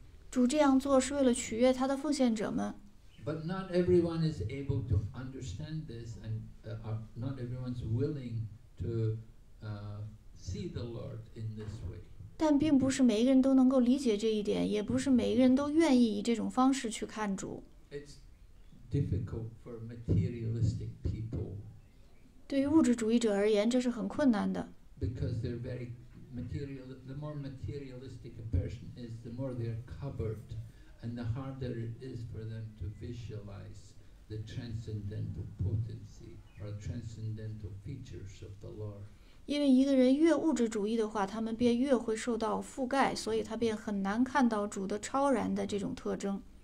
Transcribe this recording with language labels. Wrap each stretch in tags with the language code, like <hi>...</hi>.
<zh>主这样做是为了取悦他的奉献者们。</zh> <en>But not everyone is able to understand this, and not everyone's willing to see the Lord in this way.</en> <zh>但并不是每一个人都能够理解这一点，也不是每一个人都愿意以这种方式去看主。</zh> <en>It's difficult for materialistic people.</en> <zh>对于物质主义者而言，这是很困难的。</zh> <en>Because they're very material, the more materialistic a person is, the more they're covered, and the harder it is for them to visualize the transcendental potency or transcendental features of the Lord.</en> <zh>因为一个人越物质主义的话，他们便越会受到覆盖，所以他便很难看到主的超然的这种特征。</zh>